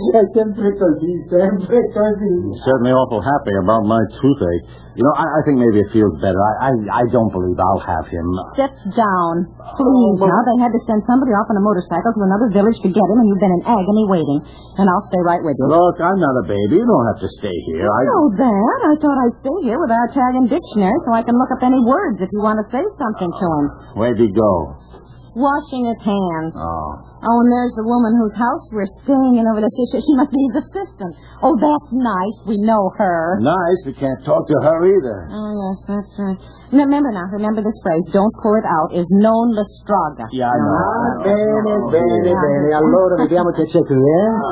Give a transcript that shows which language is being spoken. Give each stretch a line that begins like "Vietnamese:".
Italian: È sempre così, sempre così.
English: You're certainly awful happy about my toothache. You know, I think maybe it feels better. I don't believe I'll have him. Sit down. Please, they had to send somebody off on a motorcycle to another village to get him, and you've been in agony waiting. And I'll stay right with you. Look, I'm not a baby. You don't have to stay here. I know that. I thought I'd stay here with our Italian dictionary so I can look up any words if you want to say something to him. Where'd he go? Washing his hands. Oh. Oh, and there's the woman whose house we're staying in over there. She must be his assistant. Oh, that's nice. We know her. Nice? We can't talk to her either. Oh, yes, that's right. Remember this phrase, don't pull it out, is
Italian: non la straga.
English: Yeah, I know.
Italian: Bene. Allora, vediamo che c'è qui, eh?